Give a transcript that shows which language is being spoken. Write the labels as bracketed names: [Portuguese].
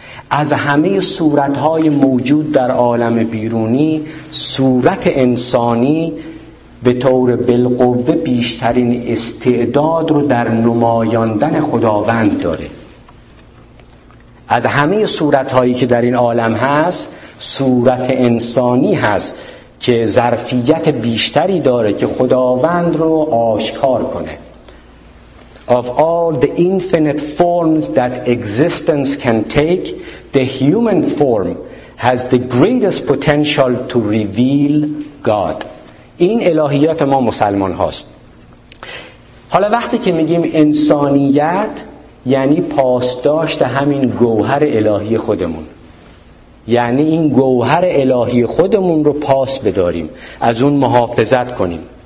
[Persian] از همه صورت های موجود در عالم بیرونی صورت انسانی به طور بالقوه بیشترین استعداد رو در نمایاندن خداوند داره. از همه صورت هایی که در این عالم هست صورت انسانی هست که ظرفیت بیشتری داره که خداوند رو آشکار کنه. [English] Of all the infinite forms that existence can take, the human form has the greatest potential to reveal God. [Persian] این الهیات ما مسلمان هاست. حالا وقتی که میگیم انسانیت یعنی پاسداشت همین گوهر الهی خودمون، یعنی این گوهر الهی خودمون رو پاس بداریم، از اون محافظت کنیم.